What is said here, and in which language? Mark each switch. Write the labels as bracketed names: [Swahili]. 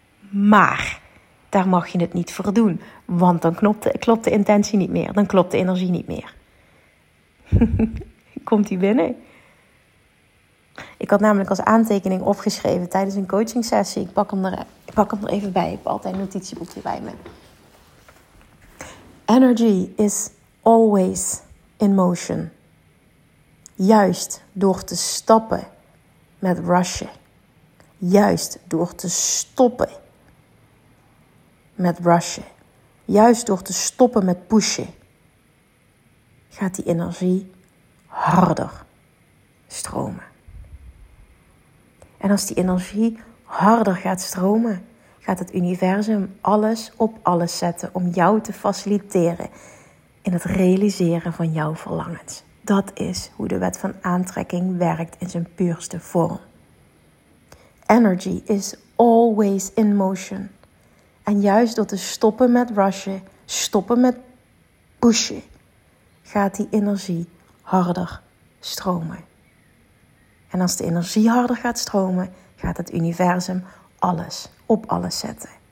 [Dutch] Maar daar mag je het niet voor doen, want dan klopt de intentie niet meer, dan klopt de energie niet meer. Komt die binnen? Ik had namelijk als aantekening opgeschreven tijdens een coaching sessie. Ik pak hem er even bij. Ik heb altijd een notitieboekje bij me. [English] Energy is always in motion. [Dutch] Juist door te stoppen met rushen. Juist door te stoppen met rushen. Juist door te stoppen met pushen. Gaat die energie harder stromen. En als die energie harder gaat stromen, gaat het universum alles op alles zetten om jou te faciliteren in het realiseren van jouw verlangens. Dat is hoe de wet van aantrekking werkt in zijn puurste vorm. [English] Energy is always in motion. [Dutch] En juist door te stoppen met rushen, stoppen met pushen, gaat die energie harder stromen. En als de energie harder gaat stromen, gaat het universum alles op alles zetten.